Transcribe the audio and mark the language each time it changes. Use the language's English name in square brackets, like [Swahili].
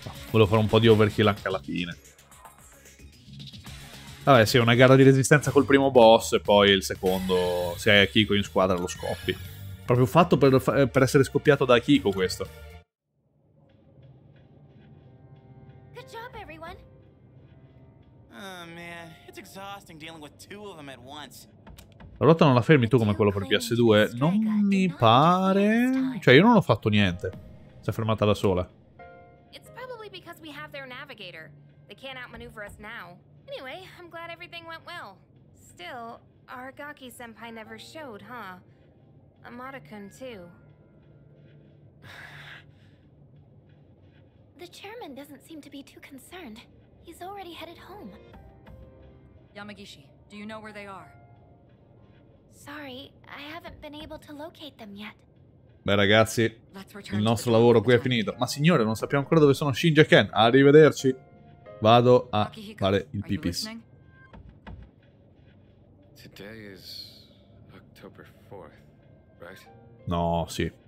[Italian] Volevo fare un po' di overkill anche alla fine. Vabbè, sì, una gara di resistenza col primo boss e poi il secondo. Se hai Akiko in squadra lo scoppi. Proprio fatto per essere scoppiato da Akiko questo. [English] Good job, everyone. Oh man, it's exhausting dealing with two of them at once. [Italian] La ruota non la fermi tu come quello per PS2? Non mi pare. Cioè, io non ho fatto niente. Si è fermata da sola. [English] It's probably because we have their navigator. They can't outmaneuver us now. Anyway, I'm glad everything went well. Still, Aragaki-senpai never showed, huh? Amada-kun too. The chairman doesn't seem to be too concerned. He's already headed home. Yamagishi, do you know where they are? Sorry, I haven't been able to locate them yet. [Italian] Beh ragazzi, il nostro lavoro qui è finito. Ma signore, non sappiamo ancora dove sono Shinji e Ken. Arrivederci. Vado a fare il pipis. [English] Today is October 4th, right? [Italian] No, sì.